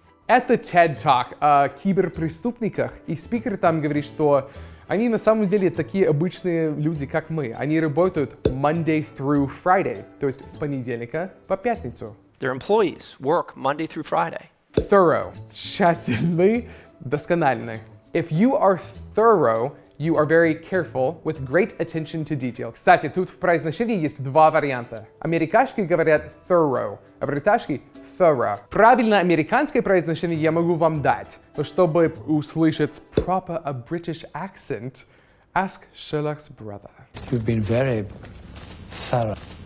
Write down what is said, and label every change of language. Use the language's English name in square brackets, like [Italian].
[Russian] Это TED Talk о киберпреступниках, и спикер там говорит, что они на самом деле такие обычные люди, как мы. Они работают [English] Monday through Friday, [Russian] то есть с понедельника по пятницу. [English] Their employees work Monday through Friday. Thorough. [Russian] Тщательный, доскональный. [English] If you are thorough, you are very careful with great attention to detail. [Russian] Кстати, тут в произношении есть два варианта. Америкашки говорят thorough, а бриташки thorough. Правильное американское произношение я могу вам дать. Но чтобы услышать [English] proper a British accent, ask Sherlock's brother. You've been very thorough.